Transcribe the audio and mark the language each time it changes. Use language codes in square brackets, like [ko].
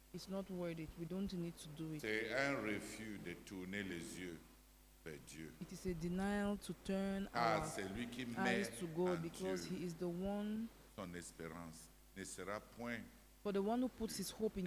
[en] It's not worth it. We don't need to do it. [fr] C'est un refus de tourner les yeux vers Dieu. [en] It is a denial to turn our eyes to God because [fr] Dieu. [en] He is the one. [fr] Son espérance ne sera point. [en] For the one who puts his hope in